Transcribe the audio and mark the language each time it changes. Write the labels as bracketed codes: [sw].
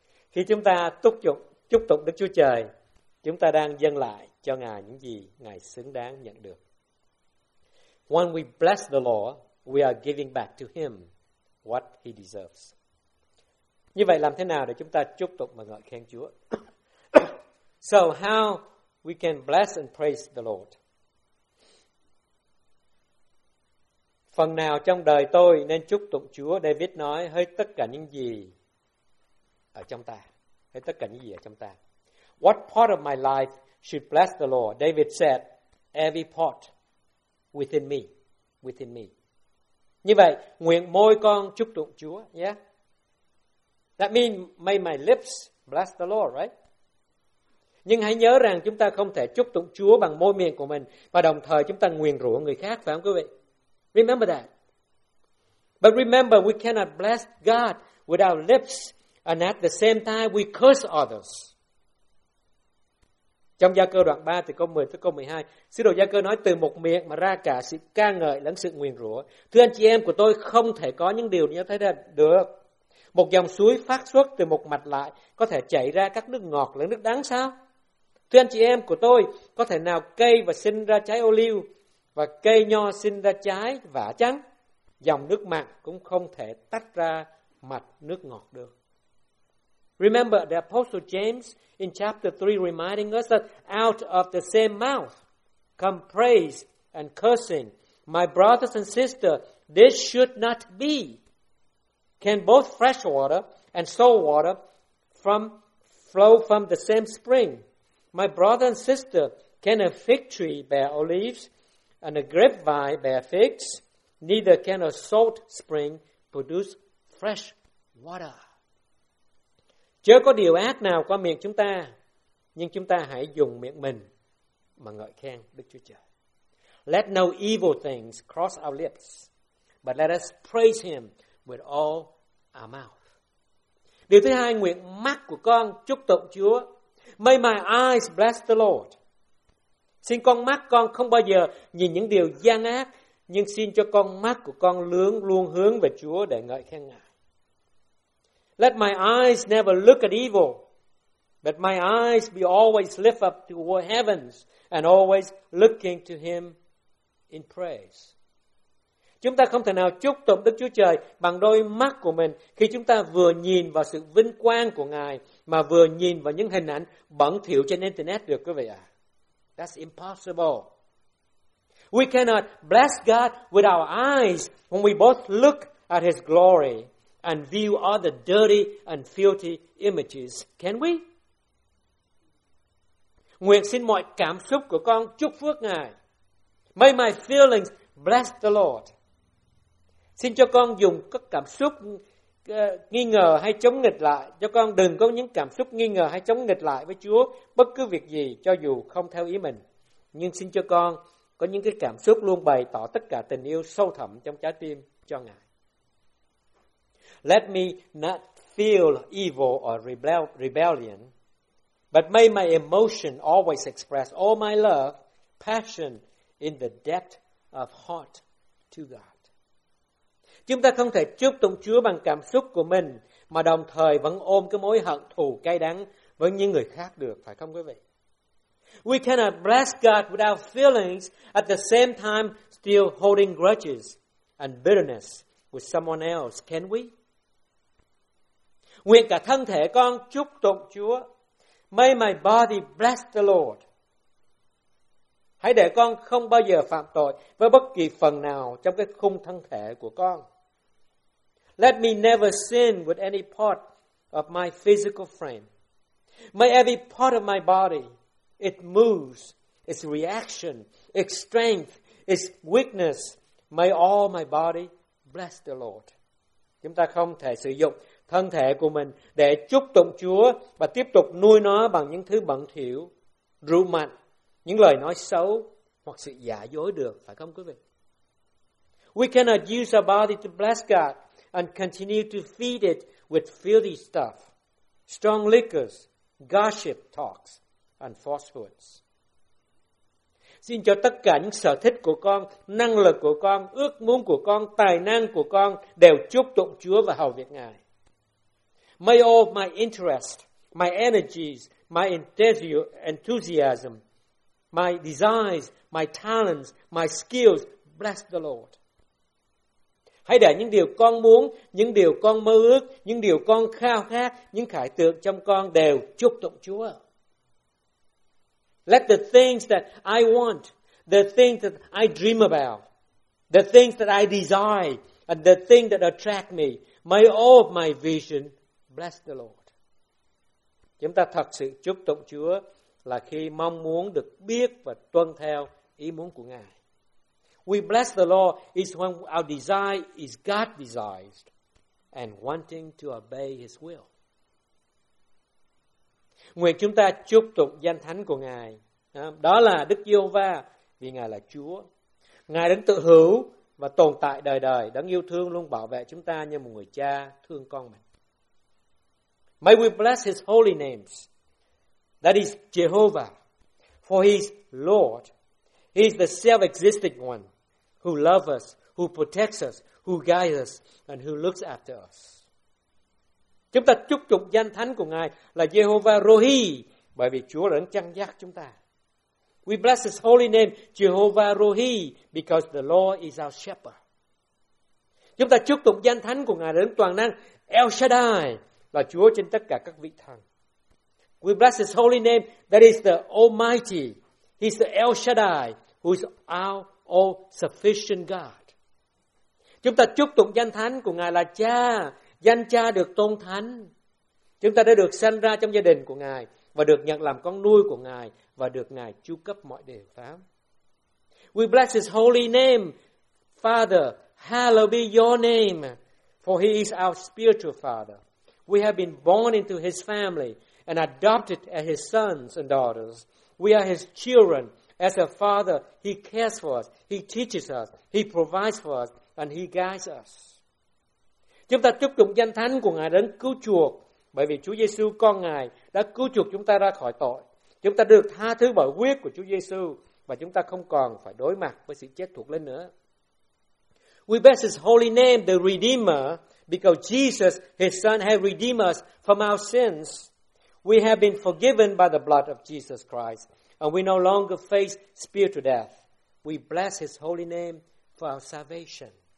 [vi] Khi chúng ta chúc tụng Đức Chúa Trời, chúng ta đang dâng lại cho Ngài những gì Ngài xứng đáng nhận được. [en] When we bless the Lord, we are giving back to Him what He deserves. [vi] Như vậy làm thế nào để chúng ta chúc tụng và ngợi khen Chúa? [en] So how we can bless and praise the Lord? [vi] Phần nào trong đời tôi nên chúc tụng Chúa? David nói, hỡi tất cả những gì ở trong ta. Hỡi tất cả những gì ở trong ta. [en] What part of my life should bless the Lord? David said, every part within me, within me. [vi] Như vậy, nguyện môi con chúc tụng Chúa, yeah? [en] That means may my lips bless the Lord, right? [vi] Nhưng hãy nhớ rằng chúng ta không thể chúc tụng Chúa bằng môi miệng của mình và đồng thời chúng ta nguyền rủa người khác, phải không quý vị? [en] Remember that. But remember, we cannot bless God with our lips and at the same time we curse others. [vi] Trong Gia-cơ đoạn 3 từ câu 10 tới câu 12, Sứ đồ Gia-cơ nói từ một miệng mà ra cả sự ca ngợi lẫn sự nguyền rủa. Thưa anh chị em của tôi, không thể có những điều như thế được. Một dòng suối phát xuất từ một mạch lại có thể chảy ra các nước ngọt lẫn nước đắng sao? Thưa anh chị em của tôi, có thể nào cây và sinh ra trái ô liu và cây nho sinh ra trái vả trắng? Dòng nước mặn cũng không thể tách ra mạch nước ngọt được. [en] Remember the Apostle James in chapter 3 reminding us that out of the same mouth come praise and cursing. My brothers and sisters, this should not be. Can both fresh water and salt water flow from the same spring? My brother and sister, can a fig tree bear olives and a grapevine bear figs? Neither can a salt spring produce fresh water. [vi] Chớ có điều ác nào qua miệng chúng ta, nhưng chúng ta hãy dùng miệng mình mà ngợi khen Đức Chúa Trời. [en] Let no evil things cross our lips, but let us praise Him with all our mouth. [vi] Điều thứ hai, nguyện mắt của con chúc tụng Chúa. [en] May my eyes bless the Lord. [vi] Xin con mắt con không bao giờ nhìn những điều gian ác, nhưng xin cho con mắt của con luôn hướng về Chúa để ngợi khen Ngài. [en] Let my eyes never look at evil, but my eyes be always lift up toward heavens and always looking to Him in praise. [vi] Chúng ta không thể nào chúc tụng Đức Chúa Trời bằng đôi mắt của mình khi chúng ta vừa nhìn vào sự vinh quang của Ngài mà vừa nhìn vào những hình ảnh bẩn thỉu trên Internet được, quý vị ạ. [en] That's impossible. We cannot bless God with our eyes when we both look at His glory and view all the dirty and filthy images, can we? [vi] Nguyện xin mọi cảm xúc của con chúc phước Ngài. [en] May my feelings bless the Lord. [vi] Xin cho con dùng các cảm xúc nghi ngờ hay chống nghịch lại, cho con đừng có những cảm xúc nghi ngờ hay chống nghịch lại với Chúa bất cứ việc gì, cho dù không theo ý mình. Nhưng xin cho con có những cái cảm xúc luôn bày tỏ tất cả tình yêu sâu thẳm trong trái tim cho Ngài. [en] Let me not feel evil or rebellion, but may my emotion always express all my love, passion in the depth of heart to God. [vi] Chúng ta không thể chúc tụng Chúa bằng cảm xúc của mình mà đồng thời vẫn ôm cái mối hận thù cay đắng với những người khác được, phải không quý vị? [en] We cannot bless God without feelings at the same time still holding grudges and bitterness with someone else, can we? [vi] Nguyện cả thân thể con chúc tụng Chúa. [en] May my body bless the Lord. [vi] Hãy để con không bao giờ phạm tội với bất kỳ phần nào trong cái khung thân thể của con. [en] Let me never sin with any part of my physical frame. May every part of my body, it moves, its reaction, its strength, its weakness, may all my body bless the Lord. [vi] Chúng ta không thể sử dụng thân thể của mình để chúc tụng Chúa và tiếp tục nuôi nó bằng những thứ bẩn thỉu, rượu mạnh những lời nói xấu hoặc sự giả dối được, phải không quý vị? [en] We cannot use our body to bless God and continue to feed it with filthy stuff, strong liquors, gossip talks, and false words. [vi] Xin cho tất cả những sở thích của con, năng lực của con, ước muốn của con, tài năng của con đều chúc tụng Chúa và hầu việc Ngài. [en] May all my interest, my energies, my enthusiasm, my desires, my talents, my skills bless the Lord. [vi] Hãy để những điều con muốn, những điều con mơ ước, những điều con khao khát, những khải tượng trong con đều chúc tụng Chúa. [en] Let the things that I want, the things that I dream about, the things that I desire, and the things that attract me, may all of my vision bless the Lord. [vi] Chúng ta thật sự chúc tụng Chúa là khi mong muốn được biết và tuân theo ý muốn của Ngài. [en] We bless the Lord is when our desire is God-desired and wanting to obey His will. [vi] Nguyện chúng ta chúc tụng danh thánh của Ngài. Đó là Đức Giê-hô-va, vì Ngài là Chúa. Ngài đứng tự hữu và tồn tại đời đời, đấng yêu thương luôn bảo vệ chúng ta như một người cha thương con mình. [en] May we bless His holy names. That is Jehovah, for He is Lord. He is the self-existing one who loves us, who protects us, who guides us, and who looks after us. [vi] Chúng ta chúc tụng danh thánh của Ngài là Jehovah Rohi, bởi vì Chúa đã chăn dắt chúng ta. [en] We bless His holy name, Jehovah Rohi, because the Lord is our shepherd. [vi] Chúng ta chúc tụng danh thánh của Ngài là đấng toàn năng, El Shaddai, là Chúa trên tất cả các vị thần. [en] We bless His holy name, that is the Almighty. He's the El Shaddai, who is our all-sufficient God. [vi] Chúng ta chúc tụng danh thánh của Ngài là Cha, danh Cha được tôn thánh. Chúng ta đã được sanh ra trong gia đình của Ngài và được nhận làm con nuôi của Ngài và được Ngài chu cấp mọi điều. Phải. [en] We bless His holy name, Father, hallowed be Your name, for He is our spiritual Father. We have been born into His family and adopted as His sons and daughters. We are His children. As a father, He cares for us, He teaches us, He provides for us, and He guides us. [vi] Chúng ta chúc tụng danh thánh của Ngài đến cứu chuộc, bởi vì Chúa Giê-xu con Ngài đã cứu chuộc chúng ta ra khỏi tội. Chúng ta được tha thứ bởi huyết của Chúa Giê-xu, và chúng ta không còn phải đối mặt với sự chết thuộc lên nữa. [en] We bless His holy name, the Redeemer, because Jesus, His Son, has redeemed us from our sins. We have been forgiven by the blood of Jesus Christ, and we no longer face spiritual death. We bless His holy name for our salvation.